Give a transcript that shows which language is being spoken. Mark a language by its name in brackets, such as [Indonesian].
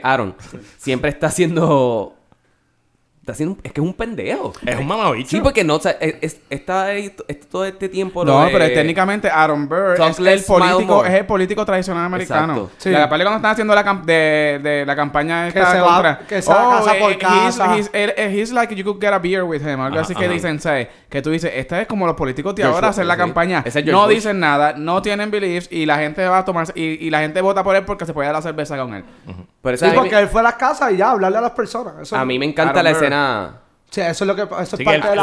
[Spanish] Aaron. Siempre está haciendo... Es que es un pendejo. Es un mamabicho. Sí, porque no... O sea, está ahí todo este tiempo... No, pero técnicamente Aaron Burr es el político tradicional americano. Exacto. Sí. Y aparte cuando están haciendo la campaña... Que se va... Que se va casa por casa. [English] He's like you could get a beer with him. [Spanish] Algo así que dicen, ¿sabes? Que tú dices, este es como los políticos de ahora hacer la campaña. No dicen nada, no tienen beliefs y la gente va a tomarse... Y la gente vota por él porque se puede dar la cerveza con él. Sí, porque él fue a las casas y ya, hablarle a las personas. Eso a mí me encanta la escena. Sí, eso es lo que... Eso es parte de la...